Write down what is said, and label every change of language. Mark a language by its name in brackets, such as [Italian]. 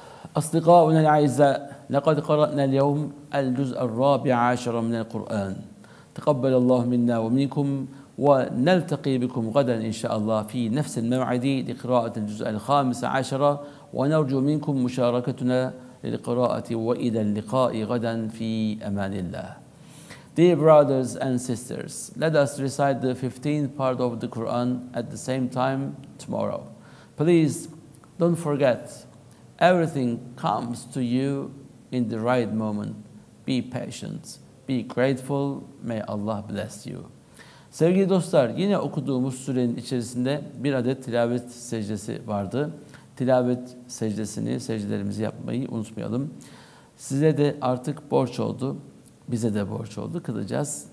[Arabic] أصدقاؤنا الأعزاء، لقد قرأنا اليوم الجزء الرابع عشر من القرآن. تقبل الله منا ومنكم، ونلتقي بكم غدا إن شاء الله في نفس الموعد لقراءة الجزء الخامس عشر، ونرجو منكم مشاركتنا للقراءة وإلى اللقاء غدا في أمان الله. [English] Dear brothers and sisters, let us recite the 15th part of the Quran at the same time tomorrow. Please don't forget. Everything comes to you in the right moment. Be patient, be grateful. May Allah bless you. [Turkish] Sevgili dostlar, yine okuduğumuz surenin içerisinde bir adet tilavet secdesi vardı. Tilavet secdesini, secdelerimizi yapmayı unutmayalım. Size de artık borç oldu, bize de borç oldu, kılacağız.